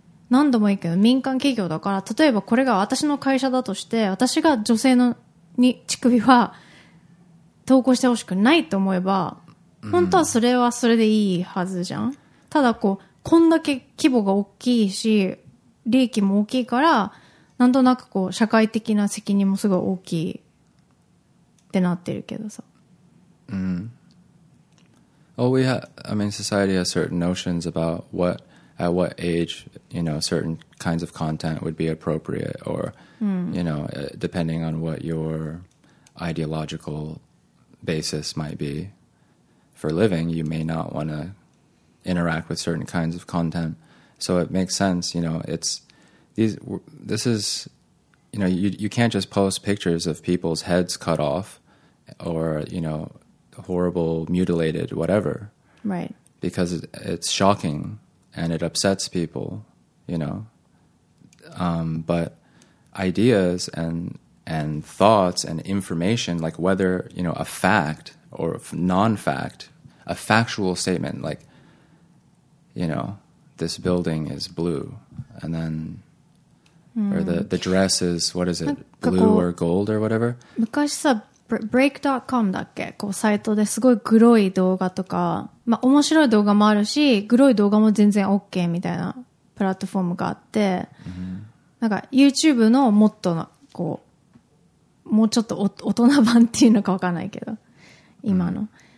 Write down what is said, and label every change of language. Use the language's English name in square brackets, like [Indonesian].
[Japanese] 何度も言うけど民間企業だから、例えばこれが私の会社だとして、私が女性のに乳首は投稿してほしくないと思えば、本当はそれはそれでいいはずじゃん。ただこうこんだけ規模が大きいし利益も大きいから、なんとなくこう社会的な責任もすごい大きいってなってるけどさ。 [English] Well, we have, I mean, society has certain notions about what, at what age, you know, certain kinds of content would be appropriate, or, you know, depending on what your ideological basis might be for living, you may not want to interact with certain kinds of content. So it makes sense, you know, it's, this is, you know, you can't just post pictures of people's heads cut off. Or, you know, horrible, mutilated, whatever. Right. Because it's shocking and it upsets people, you know. But ideas and thoughts and information, like whether, you know, a fact or non-fact, a factual statement, like, you know, this building is blue. And then... or the dress is, what is it, blue or gold or whatever? [Japanese] 昔さ、break.com だっけ、こうサイトですごいグロい動画とか、まあ面白い動画もあるし、グロい動画も全然 OK みたいなプラットフォームがあって、なんか YouTube のもっとの、こう、もうちょっと大人版っていうのかわかんないけど、今の。